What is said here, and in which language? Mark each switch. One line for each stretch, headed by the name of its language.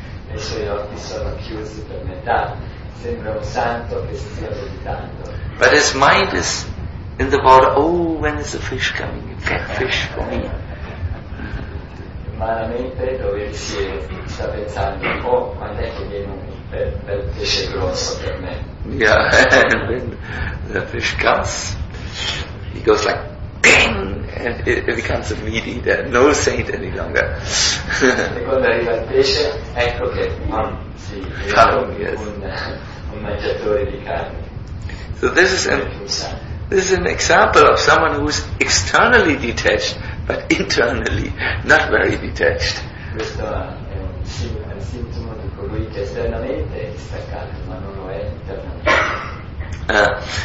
Italian: E i suoi occhi sono chiusi per metà, sembra un santo che stia meditando.
English: But his mind is in the water. Oh, when is the fish coming? Get fish for me.
Italian: Umanamente dove si sta pensando, oh, quando è che viene un bel pesce grosso per me?
English: Yeah, and when the fish comes, he goes like, bang! And it becomes a meat eater, no saint any longer.
Italian: E quando arriva il pesce, ecco che si diventa un mangiatore di carne.
English: So this is an example of someone who is externally detached, but internally not very detached.
Italian: Questo è un sintomo di colui che esternamente è staccato, ma non lo è internamente.